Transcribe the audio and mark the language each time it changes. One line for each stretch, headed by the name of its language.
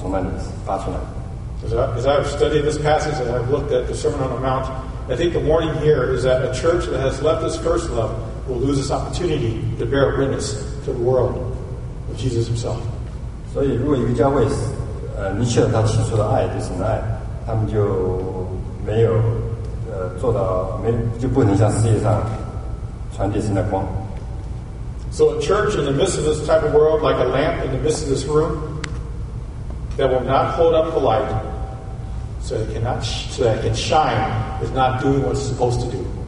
Chinese: 所以灯台并不是这个光它自己，而是说这个亮光从那里发出来。
English: As I've studied this passage and I've looked at the Sermon on the Mount, I think the warning here is that a church that has left its first love will lose its opportunity to bear witness to the world of Jesus Himself.
Chinese: 所以如果一个教会，离弃了他起初的爱，对神的爱，他们就没有。做到没就不能像世界上传递神的光。
English: So a church in the midst of this type of world, like a lamp in the midst of this room, that will not hold up the light, so that it can shine, is not doing what it's supposed to do.